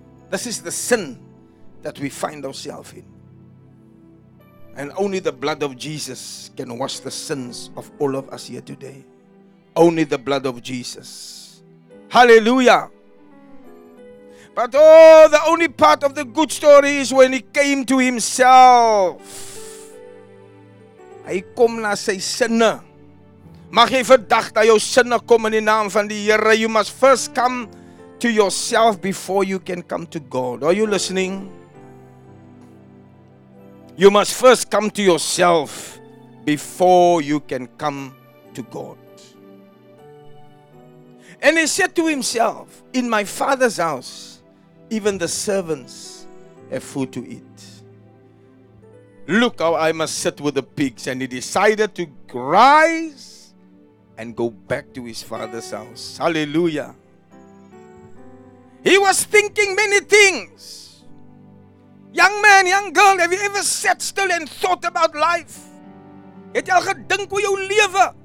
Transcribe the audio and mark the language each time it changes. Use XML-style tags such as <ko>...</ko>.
<en>This is the sin that we find ourselves in. And only the blood of Jesus can wash the sins of all of us here today. Only the blood of Jesus. Hallelujah. But oh, the only part of the good story is when he came to himself.</en> <af>Hy kom na sy sinne. Mag jy vandag na jou sinne kom in die naam van die Here.</af> <en>You must first come to yourself before you can come to God. Are you listening? You must first come to yourself before you can come to God. And he said to himself, in my father's house, even the servants have food to eat. Look how I must sit with the pigs. And he decided to rise and go back to his father's house. Hallelujah. He was thinking many things. Young man, young girl, have you ever sat still and thought about life?</en> <af>Het jy al gedink oor jou lewe?</af>